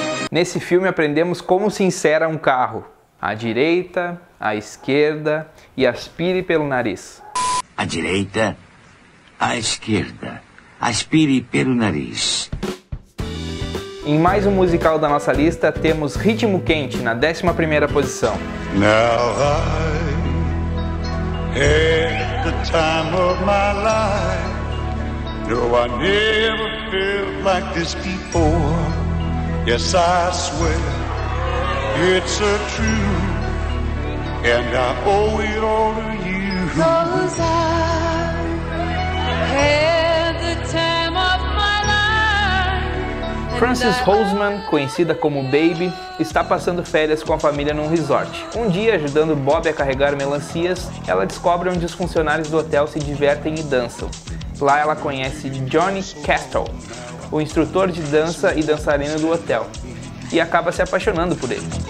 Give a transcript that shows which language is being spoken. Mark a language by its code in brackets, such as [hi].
[pt] Nesse filme aprendemos como se insera um carro. À direita, à esquerda e aspire pelo nariz. À direita, à esquerda, aspire pelo nariz. Em mais um musical da nossa lista, temos Ritmo Quente na 11ª posição. [en] Now I had the time of my life. No, I never felt like this before. Yes, I swear, it's a truth, and I owe it all to you. 'Cause I had the time of my life. [pt] Frances Holzman, conhecida como Baby, está passando férias com a família num resort. Um dia, ajudando Bob a carregar melancias, ela descobre onde os funcionários do hotel se divertem e dançam. Lá ela conhece Johnny Castle, o instrutor de dança e dançarino do hotel, e acaba se apaixonando por ele.